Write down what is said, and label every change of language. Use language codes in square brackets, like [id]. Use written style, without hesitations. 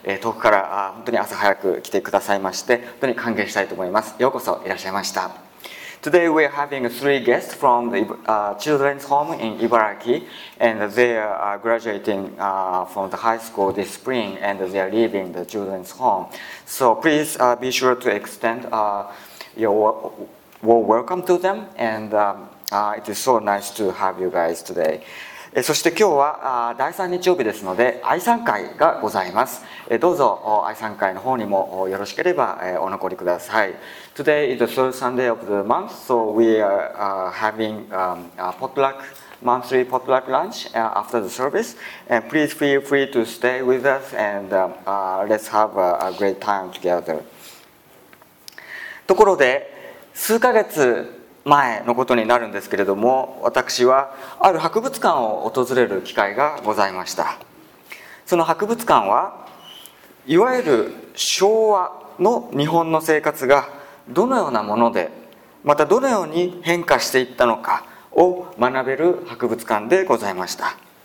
[ja] 遠くから本当に朝早く来てくださいまして、本当に歓迎したいと思います。ようこそいらっしゃいました。 [en] Today we are having three guests from the children's home in Ibaraki, and they are graduating from the high school this spring, and they are leaving the children's home. So please be sure to extend your warm welcome to them, and it is so nice to have you guys today. [ja] そして今日は第3日曜日ですので愛さん会がございます。どうぞ愛さん会の方にもよろしければお残りください。 [en] Today is the third Sunday of the month, so we are having a potluck, monthly potluck lunch after the service, and please feel free to stay with us and let's have a great time together. [ja] ところで数ヶ月前のことになるんですけれども、私はある博物館を訪れる機会がございました。その博物館はいわゆる昭和の日本の生活がどのようなもので、またどのように変化していったのかを学べる博物館でございました。